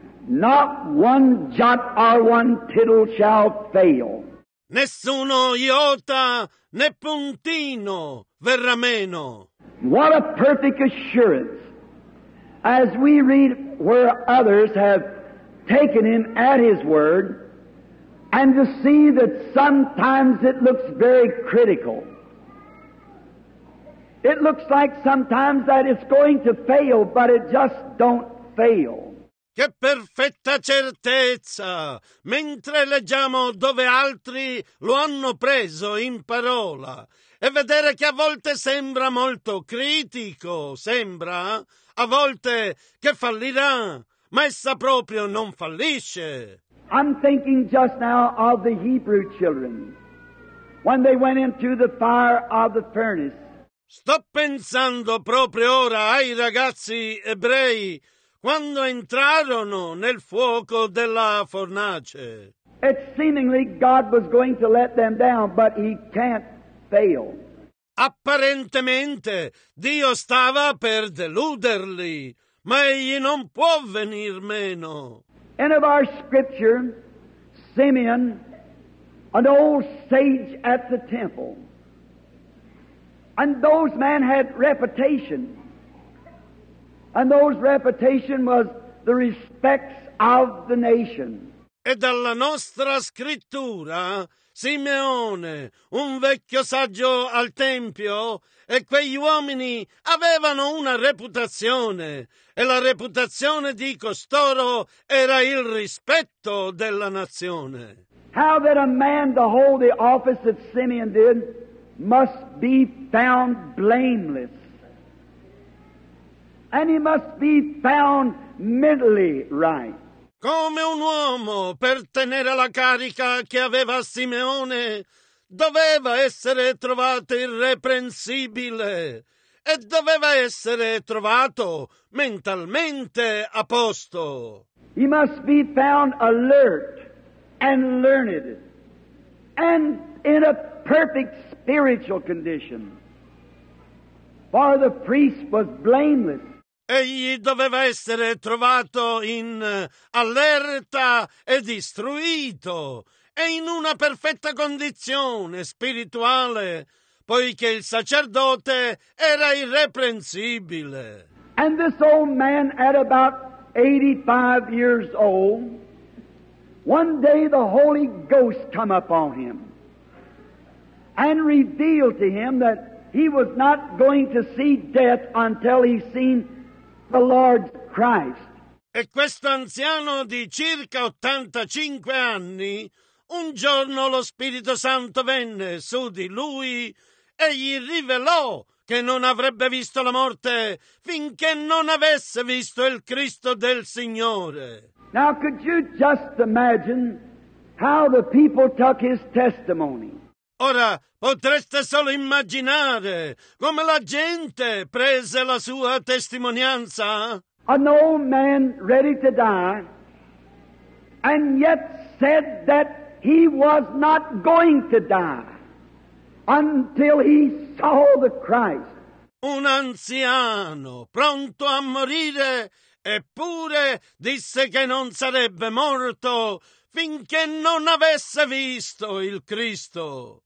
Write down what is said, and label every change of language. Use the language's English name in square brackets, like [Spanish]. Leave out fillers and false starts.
[English] Not one jot or one tittle shall fail. [Italian] Nessuno iota, né puntino verrà meno. [English] What a perfect assurance. As we read where others have taken him at his word, and to see that sometimes it looks very critical. It looks like sometimes that it's going to fail, but it just don't fail. [Italian] Che perfetta certezza! Mentre leggiamo dove altri lo hanno preso in parola, e vedere che a volte sembra molto critico, sembra, a volte che fallirà, ma essa proprio non fallisce. [English] I'm thinking just now of the Hebrew children, when they went into the fire of the furnace. [Italian] Sto pensando proprio ora ai ragazzi ebrei quando entrarono nel fuoco della fornace. [English] It seemingly God was going to let them down, but he can't fail. [Italian] Apparentemente Dio stava per deluderli, ma egli non può venir meno. [English] In our scripture, Simeon, an old sage at the temple. And those men had reputation. And those reputation was the respects of the nation. [Italian] E dalla nostra scrittura, Simeone, un vecchio saggio al tempio, e quegli uomini avevano una reputazione. E la reputazione di costoro era il rispetto della nazione. [English] How did a man to hold the office that Simeon did? Must be found blameless. And he must be found mentally right. [Italian] Come un uomo per tenere la carica che aveva Simeone doveva essere trovato irreprensibile e doveva essere trovato mentalmente a posto. [English] He must be found alert and learned and in a perfect spiritual condition, for the priest was blameless. [Italian] Egli doveva essere trovato in allerta ed istruito e in una perfetta condizione spirituale, poiché il sacerdote era irreprensibile. [English] And this old man at about 85 years old, one day the Holy Ghost come upon him. And revealed to him that he was not going to see death until he seen the Lord Christ. [Italian] E questo anziano di circa 85 anni, un giorno lo Spirito Santo venne su di lui e gli rivelò che non avrebbe visto la morte finché non avesse visto il Cristo del Signore. [English] Now could you just imagine how the people took his testimony? [Italian] Ora potreste solo immaginare come la gente prese la sua testimonianza. [English] An old man ready to die, and yet said that he was not going to die until he saw the Christ. [Italian] Un anziano pronto a morire, eppure disse che non sarebbe morto finché non avesse visto il Cristo.